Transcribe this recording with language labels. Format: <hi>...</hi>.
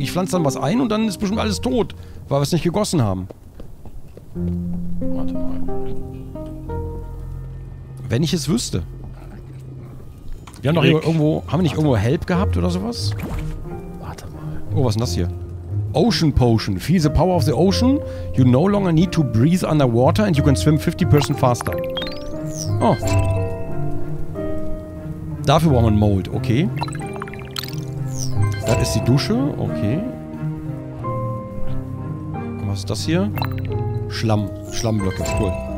<de>Ich pflanze dann was ein und dann ist bestimmt alles tot, weil wir es nicht gegossen haben. Warte mal. Wenn ich es wüsste. Wir haben doch irgendwo. Haben wir nicht irgendwo Help gehabt oder sowas? Warte mal. Oh, was ist denn das hier?</de> <en>Ocean Potion. Feel the power of the ocean. You no longer need to breathe underwater and you can swim 50% faster. Oh.</en> <de>Dafür brauchen wir einen Mold. Okay. Das ist die Dusche, okay. Was ist das hier? Schlamm. Schlammblöcke, cool.</de>